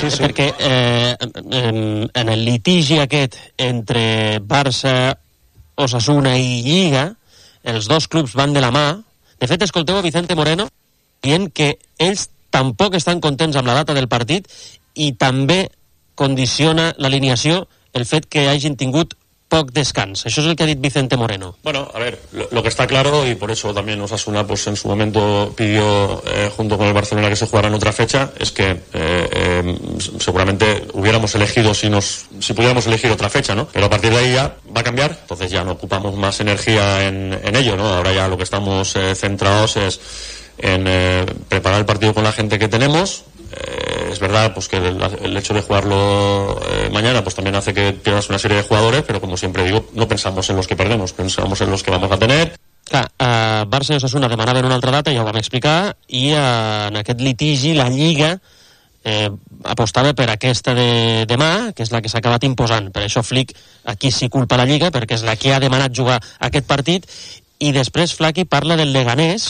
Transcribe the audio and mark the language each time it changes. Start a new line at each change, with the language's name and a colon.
Catalan: Perquè en el litigi aquest entre Barça, Osasuna i Lliga, els dos clubs van de la mà. De fet, escolteu a Vicente Moreno dient que ells tampoc estan contents amb la data del partit, i també condiciona l'alineació el fet que hagin tingut poc descans. Això és el que ha dit Vicente Moreno.
Spanish: Bueno, a ver, lo que está claro, y por eso también Osasuna pues en su momento pidió junto con el Barcelona que se jugara en otra fecha, es que seguramente hubiéramos elegido si pudiéramos elegir otra fecha, ¿no? Pero a partir de ahí ya va a cambiar, entonces ya no ocupamos más energía en ello, ¿no? Ahora ya lo que estamos centrados es en preparar el partido con la gente que tenemos. Es verdad pues que el hecho de jugarlo mañana pues también hace que pierdas una serie de jugadores, pero como siempre digo, no pensamos en los que perdemos, pensamos en los que vamos a tener.
Catalan: Clar, Barça i Osasuna demanaven una altra data, ja ho vam explicar, i en aquest litigi la Lliga apostava per aquesta de demà, que és la que s'ha acabat imposant. Per això Flick aquí sí culpa la Lliga, perquè és la que ha demanat jugar aquest partit. I després Flaky parla del Leganés.